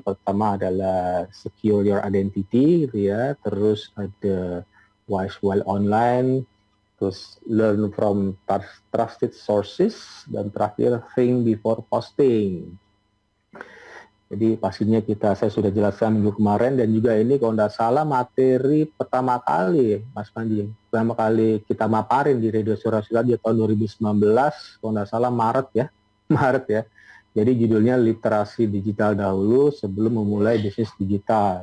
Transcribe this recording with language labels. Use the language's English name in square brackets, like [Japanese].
[Indonesian] Pertama adalah [English] secure your identity [Indonesian] gitu ya. Terus ada [English] wise while online. [Indonesian] Terus [English] learn from trusted sources. [Indonesian] Dan terakhir, [English] think before posting. [Indonesian] Jadi pastinya kita, saya sudah jelaskan minggu kemarin dan juga ini kalau tidak salah materi pertama kali Mas Panji, pertama kali kita maparin di Radio Suara Sulawesi di tahun 2019, kalau tidak salah Maret ya. Jadi judulnya literasi digital dahulu sebelum memulai bisnis digital.